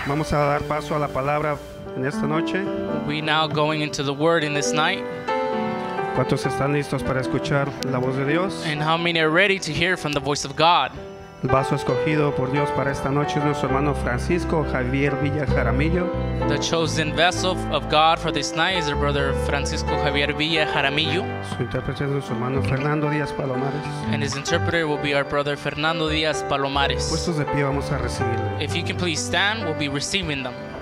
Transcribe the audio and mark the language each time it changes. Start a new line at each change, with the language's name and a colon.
Spanish: A dar paso a la palabra en esta noche.
English: We now going into the word in this night.
Spanish: ¿Cuántos están listos para escuchar la voz de Dios?
English: And how many are ready to hear from the voice of God?
Spanish: El vaso escogido por Dios para esta noche es nuestro hermano Francisco Javier Villa Jaramillo.
English: The chosen vessel of God for this night is our brother Francisco Javier Villa Jaramillo.
Spanish: Su intérprete es nuestro hermano Fernando Díaz Palomares.
English: And his interpreter will be our brother Fernando Díaz Palomares.
Spanish: Puestos de pie vamos a recibirlo.
English: If you can please stand, we'll be receiving them.